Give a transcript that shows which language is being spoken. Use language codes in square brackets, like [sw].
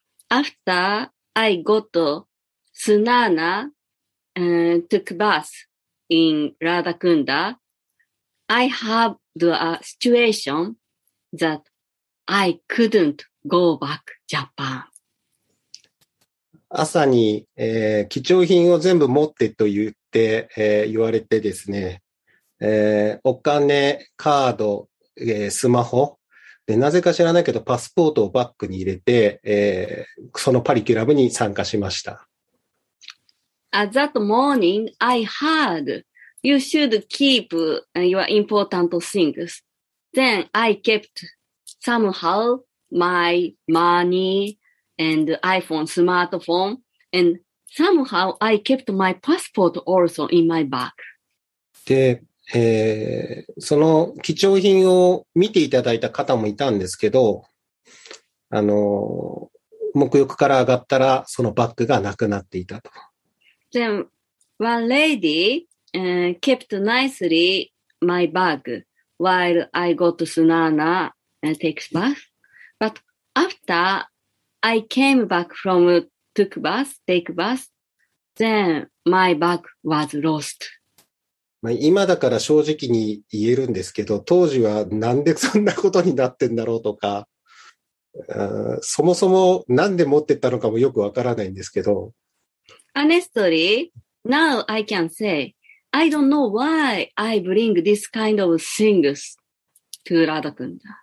[en] After I got snana, took bath in ラーダクンダ、I have the situation that I couldn't go back Japan. [ja] 朝に、貴重品を全部持ってと言って、言われてですね、お金、カード、スマホ、で、なぜか知らないけど、パスポートをバッグに入れて、そのパリキュラブに参加しました。 [en] At that morning, I heard you should keep your important things. Then I kept somehow my money and iPhone, smartphone, and somehow I kept my passport also in my bag. [ja] で、その貴重品を見ていただいた方もいたんですけど、沐浴から上がったら、そのバッグがなくなっていたと。 [en] Then one lady kept nicely my bag while I go to Sunana and takes bath. But after I came back from take bath, then my bag was lost. [ja] 今だから正直に言えるんですけど、当時はなんでそんなことになってんだろうとか、そもそもなんで持ってったのかもよくわからないんですけど、 [en] Honestly, now I can say, I don't know why I bring this kind of things to Radha-kun.